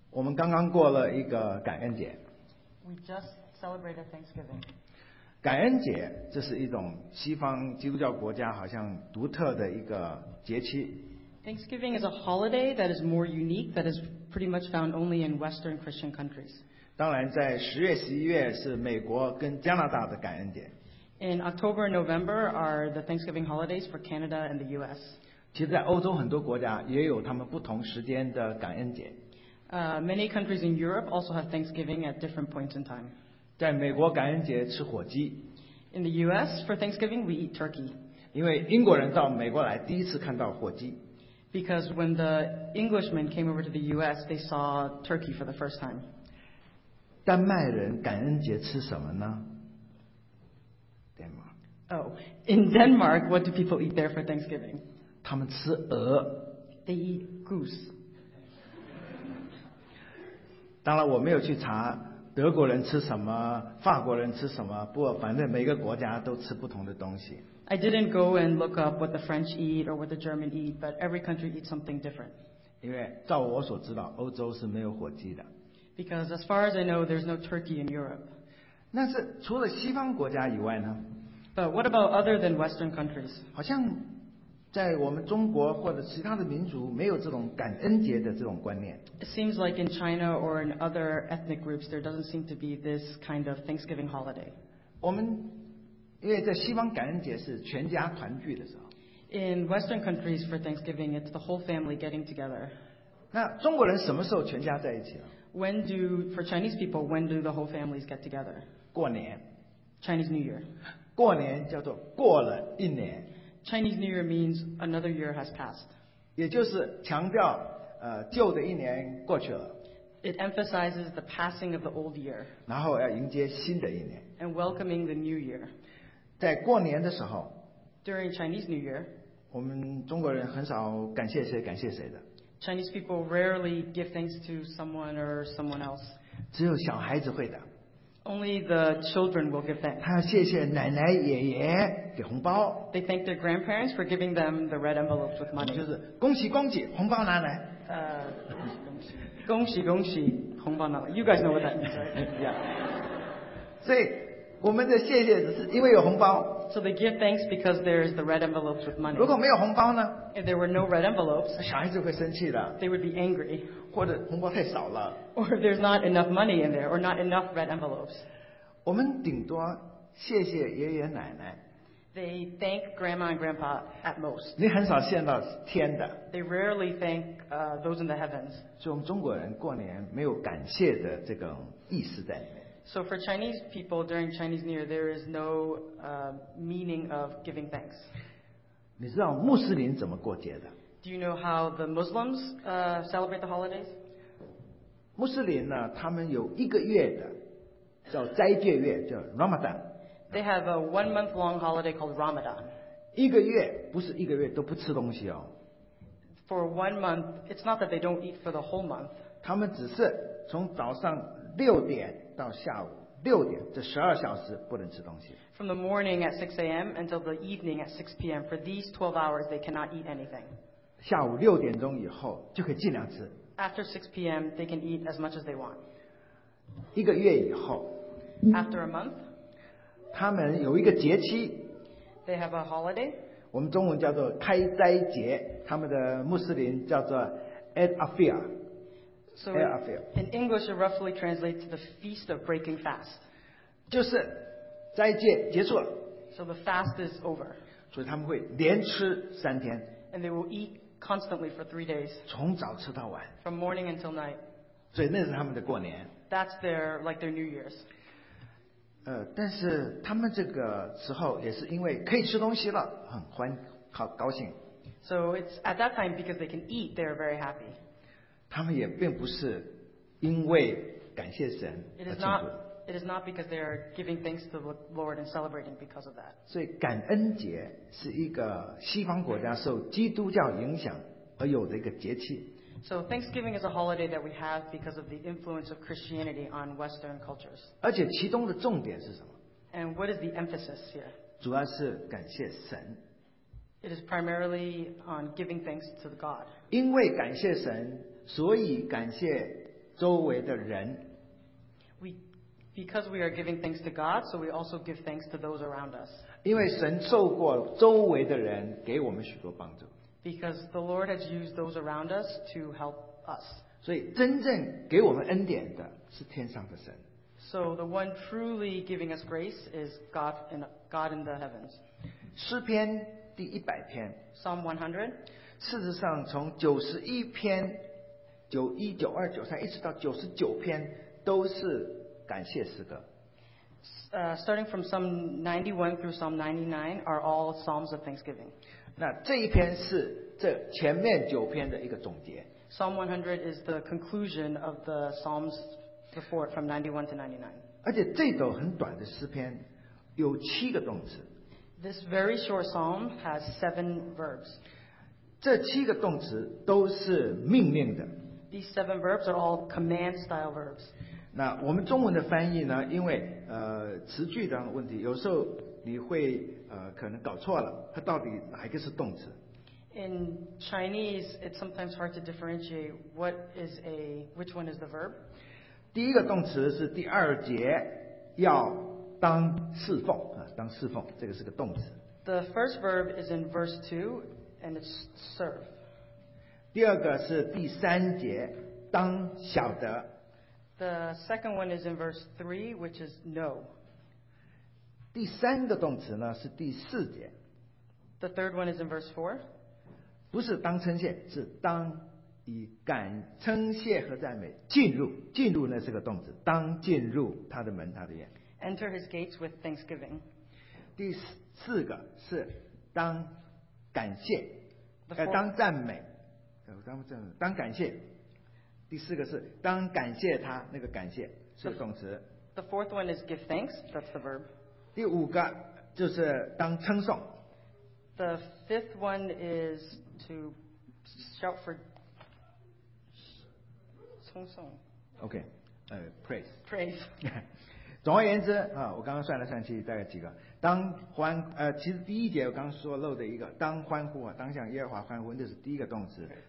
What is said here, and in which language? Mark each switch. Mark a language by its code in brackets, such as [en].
[zh] 我们刚刚过了一个感恩节。 [en] We just celebrated Thanksgiving. [zh] 感恩节，这是一种西方基督教国家好像独特的一个节期。 [en] Thanksgiving is a holiday that is more unique, that is pretty much found only in Western Christian countries. [zh] 当然，在十月、十一月是美国跟加拿大的感恩节。 [en] In October and November are the Thanksgiving holidays for Canada and the U.S. [zh] 其实，在欧洲很多国家也有他们不同时间的感恩节。 [en] Many countries in Europe also have Thanksgiving at different points in time. [zh] 在美国感恩节吃火鸡。 [en] In the U.S. for Thanksgiving we eat turkey. [zh] 因为英国人到美国来第一次看到火鸡。 [en] Because when the Englishmen came over to the U.S. they saw turkey for the first time. [zh] 丹麦人感恩节吃什么呢？ [en] Oh, in Denmark, what do people eat there for Thanksgiving? [zh] 他们吃鹅。 [en] They eat goose. [zh] 当然我没有去查德国人吃什么，法国人吃什么，不过反正每个国家都吃不同的东西。 [en] I didn't go and look up what the French eat or what the German eat, but every country eats something different. [zh] 因为照我所知道，欧洲是没有火鸡的。 [en] Because as far as I know, there's no turkey in Europe. [zh] 那是除了西方国家以外呢？ [en] But what about other than Western countries? [zh] 好像在我们中国或者其他的民族没有这种感恩节的这种观念。 [en] It seems like in China or in other ethnic groups, there doesn't seem to be this kind of Thanksgiving holiday. [zh] 我们因为在西方感恩节是全家团聚的时候。 [en] In Western countries for Thanksgiving, it's the whole family getting together. [zh] 那中国人什么时候全家在一起了？ [en] When do, for Chinese people, when do the whole families get together? [zh] 过年。 [en] Chinese New Year. [zh] 过年叫做过了一年。 [en] Chinese New Year means another year has passed. [zh] 也就是强调旧的一年过去了。 [en] It emphasizes the passing of the old year. [zh] 然后要迎接新的一年。 [en] And welcoming the new year. [zh] 在过年的时候。 [en] During Chinese New Year. [zh] 我们中国人很少感谢谁感谢谁的。 [en] Chinese people rarely give thanks to someone or someone else. [zh] 只有小孩子会的。 [en] Only the children will give thanks. [zh] 他要谢谢奶奶爷爷给红包。 [en] They thank their grandparents for giving them the red envelopes with money. [zh] 就是恭喜恭喜，红包拿来。恭喜恭喜，红包拿来。 [en] You guys know what that means, right? Yeah. [zh] 所以我们的谢谢只是因为有红包。 [en] So they give thanks because there's the red envelopes with money. [zh] 如果没有红包呢？ [en] If there were no red envelopes, [zh] 小孩子会生气的。 [en] They would be angry. [zh] 或者红包太少了。 [en] Or there's not enough money in there, or not enough red envelopes. [zh] 我们顶多谢谢爷爷奶奶。 [en] They thank grandma and grandpa at most. [zh] 你很少见到天的。 [en] They rarely thank those in the heavens. [zh] 所以我们中国人过年没有感谢的这种意思在里面。 [en] So for Chinese people during Chinese New Year, there is no meaning of giving thanks. [zh] 你知道穆斯林怎么过节的？ [en] Do you know how the Muslims celebrate the holidays? [zh] 穆斯林呢，他们有一个月的叫斋戒月，叫 Ramadan. [en] They have a one-month-long holiday called Ramadan. [zh] 一个月不是一个月都不吃东西哦。 [en] For one month, it's not that they don't eat for the whole month. [zh] 他们只是从早上六点到下午六点，这十二小时不能吃东西。 [en] From the morning at 6 a.m. until the evening at 6 p.m. for these 12 hours, they cannot eat anything. [zh] 下午六点钟以后就可以尽量吃。 [en] After 6 p.m., they can eat as much as they want. [zh] 一个月以后。 [en] After a month. [zh] 他们有一个节期。 [en] They have a holiday. [zh] 我们中文叫做开斋节，他们的穆斯林叫做 Eid al-Fitr. [en] So in English, it roughly translates to the Feast of Breaking Fast. [zh] 就是斋戒结束了。 [en] So the fast is over. [zh] 所以他们会连吃三天。 [en] And they will eat constantly for 3 days. [zh] 从早吃到晚。 [en] From morning until night. [zh] 所以那是他们的过年。 [en] That's their, like their New Year's. [zh] 但是他们这个时候也是因为可以吃东西了，很欢，好高兴。 [en] So it's at that time because they can eat, they're very happy. [zh] 他们也并不是因为感谢神而庆祝。 [en] It is not because they are giving thanks to the Lord and celebrating because of that. [zh] 所以感恩节是一个西方国家受基督教影响而有的一个节气。 [en] So Thanksgiving is a holiday that we have because of the influence of Christianity on Western cultures. [zh] 而且其中的重点是什么？ [en] And what is the emphasis here? [zh] 主要是感谢神。 [en] It is primarily on giving thanks to God. [zh] 因为感谢神，所以感谢周围的人。 [en] Because we are giving thanks to God, so we also give thanks to those around us. [zh] 因为神受过周围的人给我们许多帮助。 [en] Because the Lord has used those around us to help us. [zh] 所以真正给我们恩典的是天上的神。 [en] So the one truly giving us grace is God in the heavens. [zh] 诗篇第一百篇。 [en] Psalm 100. [zh] 事实上从九十一篇、九一、九二、九三，一直到九十九篇都是感谢诗歌。 [en] Starting from Psalm 91 through Psalm 99 are all psalms of thanksgiving. [zh] 那这一篇是这前面九篇的一个总结。 [en] Psalm 100 is the conclusion of the psalms before from 91 to 99. [zh] 而且这首很短的诗篇有七个动词。 [en] This very short psalm has seven verbs. [zh] 这七个动词都是命令的。 [en] These seven verbs are all command style verbs. [zh] 那我们中文的翻译呢，因为词句的问题，有时候你会可能搞错了，它到底哪一个是动词。 [en] In Chinese, it's sometimes hard to differentiate which one is the verb. [zh] 第一个动词是第二节，要当侍奉，当侍奉，这个是个动词。 [en] The first verb is in verse 2, and it's serve. [zh] 第二个是第三节，当晓得。 [en] The second one is in verse 3, which is know. [zh] 第三个动词呢，是第四节。 [en] The third one is in verse 4. [zh] 不是当称谢，是当以感称谢和赞美进入，进入呢是个动词，当进入他的门，他的院。 [en] Enter his gates with thanksgiving. [zh] 第四个是当感谢，当赞美，当感谢。第四个是当感谢他，那个感谢是动词。 [en] The fourth one is give thanks, that's the verb. [zh] 第五个就是当称颂。 [en] The fifth one is to shout for [zh] 称颂。 [en] Okay, praise. Praise. [zh] 总而言之啊，我刚刚算了算，其实大概几个。当欢其实第一节我刚说漏的一个，当欢呼啊，当向耶和华欢呼，这是第一个动词。